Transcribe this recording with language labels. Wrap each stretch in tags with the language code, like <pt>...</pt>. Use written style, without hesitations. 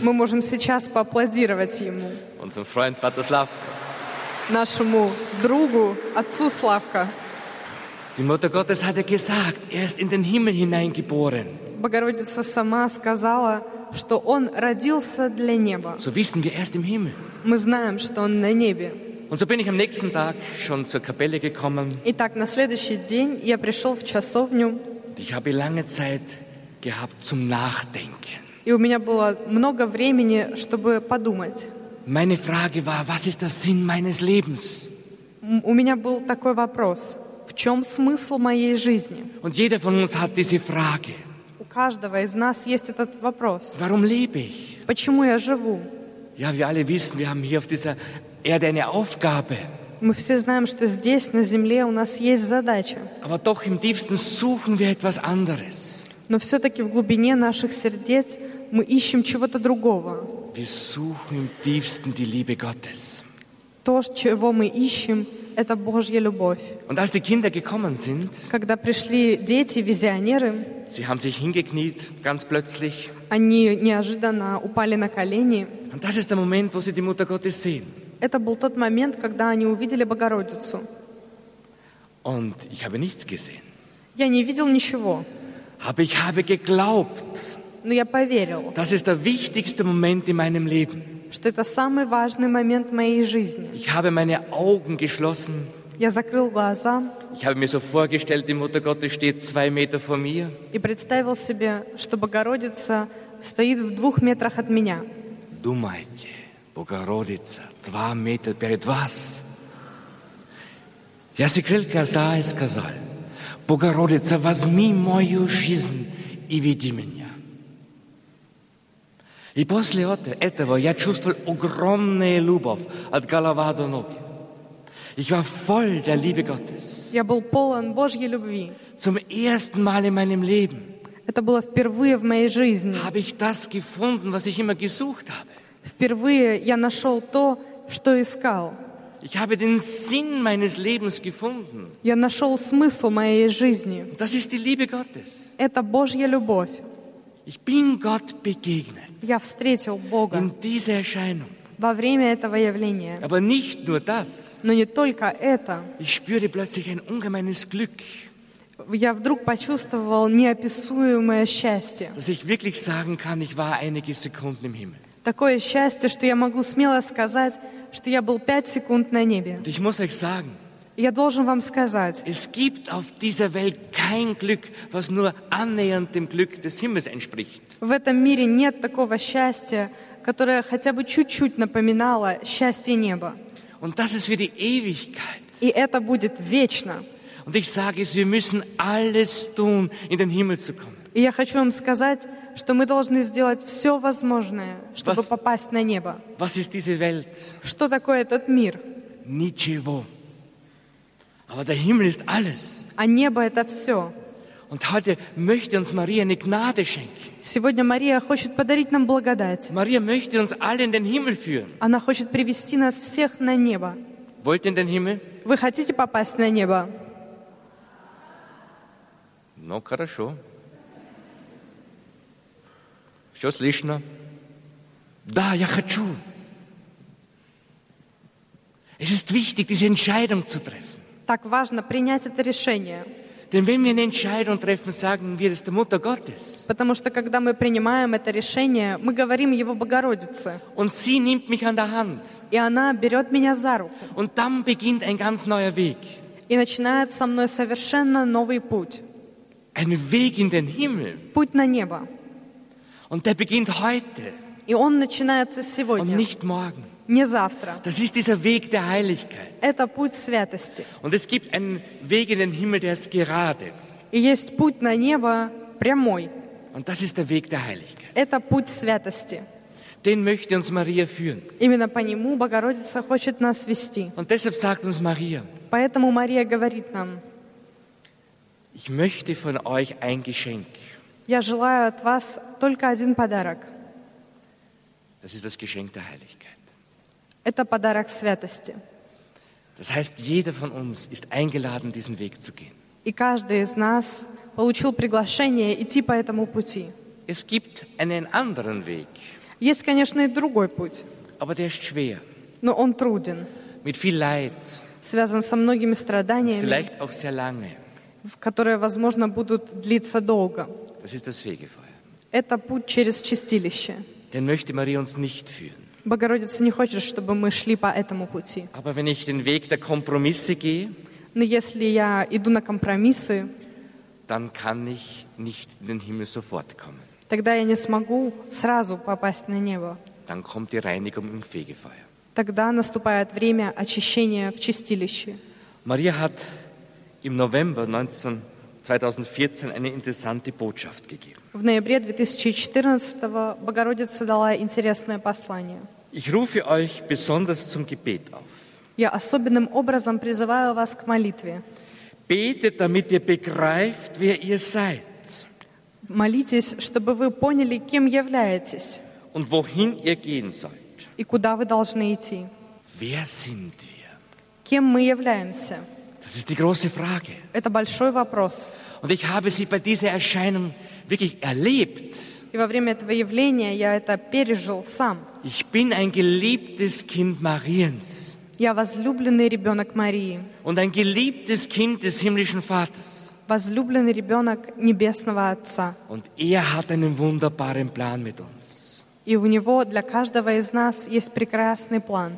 <ru>Мы можем сейчас поаплодировать ему.</ru> <de>Unserem Freund Pater Slavko.</de> <ru>Нашему другу, отцу Славко.</ru> <de>Die Mutter Gottes hat gesagt, er ist in den Himmel hineingeboren.</de> <ru>Богородица сама сказала, что он родился для неба.</ru> <de>So wissen wir, er ist im Himmel.</de> <ru>Мы знаем, что он на небе.</ru> <de>Und so bin ich am nächsten Tag schon zur Kapelle gekommen.</de> <ru>Итак, на следующий день я пришел в часовню.</ru> <de>Ich habe lange Zeit gehabt zum Nachdenken.</de> <ru>И у меня было много времени, чтобы подумать.</ru> <de>Meine Frage war, was ist der Sinn meines Lebens?</de> <ru>У меня был такой вопрос. В чем смысл моей жизни?</ru> <de>Und jeder von uns hat diese Frage.</de> <ru>У каждого из нас есть этот вопрос.</ru> <de>Warum lebe ich?</de> <ru>Почему я живу?</ru> <de>Ja, wir alle wissen, wir haben hier auf dieser Erde eine Aufgabe.</de> <ru>Мы все знаем, что здесь, на земле, у нас есть задача.</ru> <de>Aber doch im tiefsten suchen wir etwas anderes.</de> <ru>Но все-таки в глубине наших сердец мы ищем чего-то другого.</ru> <de>Wir suchen im tiefsten die Liebe Gottes.</de> <ru>То, чего мы ищем, это Божья любовь.</ru> <de>Und als die Kinder gekommen sind,</de> <ru>когда пришли дети, визионеры,</ru> <de>sie haben sich hingekniet, ganz plötzlich.</de> <ru>Они неожиданно упали на колени.</ru> <de>Und das ist der Moment, wo sie die Mutter Gottes sehen.</de> <ru>Это был тот момент, когда они увидели Богородицу.</ru> <de>Und ich habe nichts gesehen.</de> <ru>Я не видел ничего.</ru> <de>Aber ich habe geglaubt.</de> <ru>Но я поверил.</ru> <de>Das ist der wichtigste Moment in meinem Leben.</de> <ru>Что это самый важный момент моей жизни.</ru> <de>Ich habe meine Augen geschlossen.</de> <ru>Я закрыл глаза.</ru> <de>Ich habe mir so vorgestellt, die Mutter Gottes steht zwei Meter vor mir.</de> <ru>И представил себе, что Богородица стоит в двух метрах от меня. Думайте, Богородица, два метра перед вас. Я закрыл глаза и сказал, Богородица, возьми мою жизнь и веди меня. И после этого я чувствовал огромную любовь от головы до ног.</ru> <de>Ich war voll der Liebe Gottes.</de> <ru>Я был полон Божьей любви.</ru> <de>Zum ersten Mal in meinem Leben.</de> <ru>Это было впервые в моей жизни.</ru> <de>Habe ich das gefunden, was ich immer gesucht habe.</de> <ru>Впервые я нашел то, что искал.</ru> <de>Ich habe den Sinn meines Lebens gefunden.</de> <ru>Я нашел смысл моей жизни.</ru> <de>Das ist die Liebe Gottes.</de> <ru>Это Божья любовь.</ru> <de>Ich bin Gott begegnet.</de> <ru>Я встретил Бога.</ru> <de>In dieser Erscheinung.</de> <ru>Во время этого явления.</ru> <de>Aber nicht nur das.</de> <ru>Но не только это.</ru> <de>Ich spüre plötzlich ein ungemeines Glück.</de> <ru>Я вдруг почувствовал неописуемое счастье.</ru> <de>Dass ich wirklich sagen kann, ich war einige Sekunden im Himmel.</de> <ru>Такое счастье, что я могу смело сказать, что я был 5 секунд на небе.</ru> <de>Und ich muss euch sagen.</de> <ru>Я должен вам сказать.</ru> <de>Es gibt auf dieser Welt kein Glück, was nur annähernd dem Glück des Himmels entspricht.</de> <ru>В этом мире нет такого счастья, которое хотя бы чуть-чуть напоминало счастье неба.</ru> <de>Und das ist für die Ewigkeit.</de> <ru>И это будет вечно.</ru> <de>Und ich sage es, wir müssen alles tun, in den Himmel zu kommen.</de> <ru>И я хочу вам сказать, что мы должны сделать все возможное, чтобы попасть на небо.</ru> <de>Was ist diese Welt?</de> <ru>Что такое этот мир? Ничего.</ru> <de>Aber der Himmel ist alles.</de> <ru>А небо это все.</ru> <de>Und heute möchte uns Maria eine Gnade schenken.</de> <ru>Сегодня Мария хочет подарить нам благодать.</ru> <de>Maria möchte uns alle in den Himmel führen.</de> <ru>Она хочет привести нас всех на небо.</ru> <de>Wollt ihr in den Himmel?</de> <ru>Вы хотите попасть на небо? Ну, хорошо. Все слышно. Да, я хочу.</ru> <de>Es ist wichtig, diese Entscheidung zu treffen.</de> <ru>Так важно принять это решение.</ru> <de>Denn wenn wir eine Entscheidung treffen, sagen wir, das ist die Mutter Gottes.</de> <ru>Потому что когда мы принимаем это решение, мы говорим Его Богородице.</ru> <de>Und sie nimmt mich an der Hand.</de> <ru>И она берет меня за руку.</ru> <de>Und dann beginnt ein ganz neuer Weg.</de> <ru>И начинает со мной совершенно новый путь.</ru> <de>Ein Weg in den Himmel.</de> <ru>Путь на небо.</ru> <de>Und der beginnt heute.</de> <ru>И он начинается сегодня.</ru> <de>Und nicht morgen.</de> <ru>Не завтра.</ru> <de>Das ist dieser Weg der Heiligkeit.</de> <ru>Это путь святости.</ru> <de>Und es gibt einen Weg in den Himmel, der ist gerade.</de> <ru>И есть путь на небо прямой.</ru> <de>Und das ist der Weg der Heiligkeit.</de> <ru>Это путь святости.</ru> <de>Den möchte uns Maria führen.</de> <ru>Именно по нему Богородица хочет нас вести.</ru> <de>Und deshalb sagt uns Maria.</de> <ru>Поэтому Мария говорит нам.</ru> <de>Ich möchte von euch ein Geschenk.</de> <ru>Я желаю от вас только один подарок.</ru> <de>Das ist das Geschenk der Heiligkeit.</de> <ru>Это подарок святости.</ru> <de>Das heißt, jeder von uns ist eingeladen, diesen Weg zu gehen.</de> <ru>И каждый из нас получил приглашение идти по этому пути.</ru> <de>Es gibt einen anderen Weg.</de> <ru>Есть, конечно, и другой путь.</ru> <de>Aber der ist schwer.</de> <ru>Но он труден.</ru> <de>Mit viel Leid.</de> <ru>Связан со многими страданиями.</ru> <de>Vielleicht auch sehr lange.</de> <ru>Которые, возможно, будут длиться долго.</ru> <de>Das ist das Fegefeuer.</de> <ru>Это путь через чистилище.</ru> <de>Den möchte Maria uns nicht führen.</de> <ru>Богородица не хочет, чтобы мы шли по этому пути.</ru> <de>Aber wenn ich den Weg der Kompromisse gehe,</de> <ru>но если я иду на компромиссы,</ru> <de>dann kann ich nicht in den Himmel sofort kommen.</de> <ru>Тогда я не смогу сразу попасть на небо.</ru> <de>Dann kommt die Reinigung im Fegefeuer.</de> <ru>Тогда наступает время очищения в чистилище.</ru> <de>Maria hat im November 2014 eine interessante Botschaft gegeben.</de> <ru>В ноябре 2014-го Богородица дала интересное послание.</ru> <de>Ich rufe euch besonders zum Gebet auf.</de> <ru>Я особенным образом призываю вас к молитве.</ru> <de>Betet, damit ihr begreift, wer ihr seid.</de> <ru>Молитесь, чтобы вы поняли, кем являетесь.</ru> <de>Und wohin ihr gehen sollt.</de> <ru>И куда вы должны идти.</ru> <de>Wer sind wir?</de> <ru>Кем мы являемся?</ru> <de>Das ist die große Frage.</de> <ru>Это большой вопрос.</ru> <de>Und ich habe sie bei dieser Erscheinung wirklich erlebt.</de> <ru>И во время этого явления я это пережил сам.</ru> <de>Ich bin ein geliebtes Kind Mariens.</de> <ru>Я возлюбленный ребенок Марии.</ru> <de>Und ein geliebtes Kind des himmlischen Vaters.</de> <ru>Возлюбленный ребенок небесного Отца.</ru> <de>Und er hat einen wunderbaren Plan mit uns.</de> <ru>И у него для каждого из нас есть прекрасный план.</ru>